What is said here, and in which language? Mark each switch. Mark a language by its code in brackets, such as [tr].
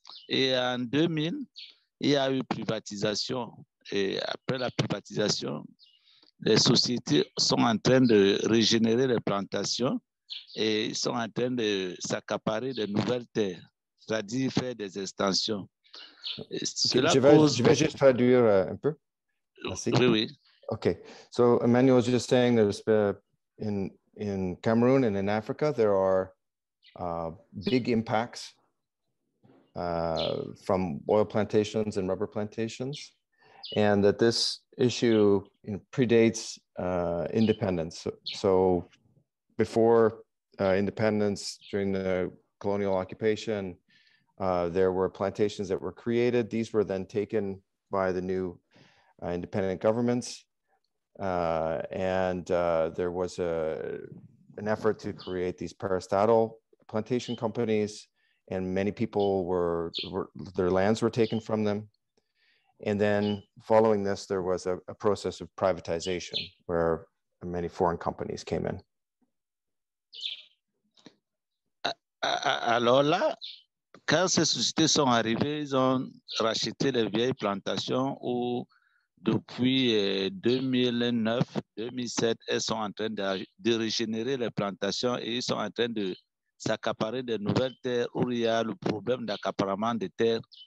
[fr] Et en 2000, il y a eu privatisation. Et après la privatisation, les sociétés sont en train de régénérer les plantations et ils sont en train de s'accaparer de nouvelles terres, c'est-à-dire faire des extensions. Je vais juste traduire un peu. Merci. Oui, oui. [en] Okay, so Emmanuel is just saying there's in Cameroon and in Africa, there are big impacts from oil plantations and rubber plantations, and that this issue predates independence. So before independence, during the colonial occupation, there were plantations that were created. These were then taken by the new independent governments. There was an effort to create these peristatal plantation companies, and many people their lands were taken from them. And then following this, there was a process of privatization where many foreign companies came in. [fr] Alors là, quand ces sociétés sont arrivées, ils ont racheté les vieilles plantations où depuis 2009-2007, elles sont en train de régénérer les plantations et ils sont en train de s'accaparer de nouvelles terres où il y a le problème d'accaparement des terres